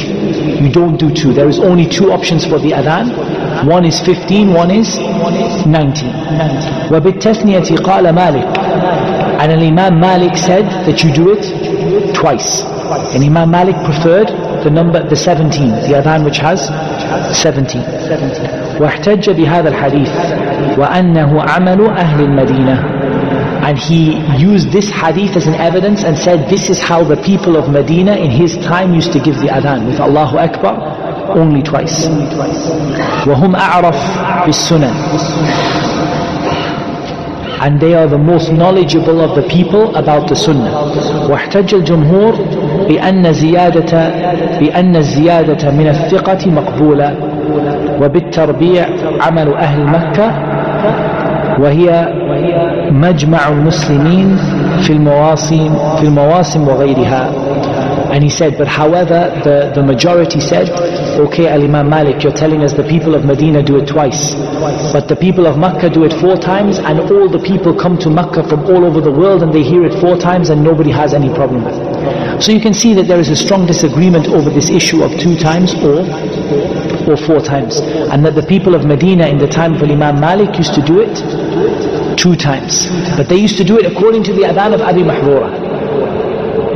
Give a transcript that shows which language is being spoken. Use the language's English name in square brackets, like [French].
[English] You don't do two. There is only two options for the adhan. One is 15, one is 19. [Arabic] وَبِالتَّثْنِيَةِ قَالَ مَالِكَ. [English] And Imam Malik said that you do it twice. And Imam Malik preferred the number, the 17, the adhan which has 17. [Arabic] واحتج بهذا الحديث وأنه عمل أهل المدينة. [English] And he used this hadith as an evidence and said, this is how the people of Medina in his time used to give the adhan with Allahu Akbar only twice. [Arabic] وهم أعرف بالسنن. [English] And they are the most knowledgeable of the people about the sunnah. [Arabic] واحتج الجمهور بأن الزيادة من الثقة مقبولة وبالتربيع عمل أهل مكة وهي مجمع المسلمين في المواسم وغيرها. [English] And he said, but however, the majority said, okay, Al-Imam Malik, you're telling us the people of Medina do it twice, but the people of Makkah do it four times, and all the people come to Makkah from all over the world and they hear it four times and nobody has any problem with it. So you can see that there is a strong disagreement over this issue of two times or four times, and that the people of Medina in the time of Imam Malik used to do it two times, but they used to do it according to the adhan of Abi Mahdura.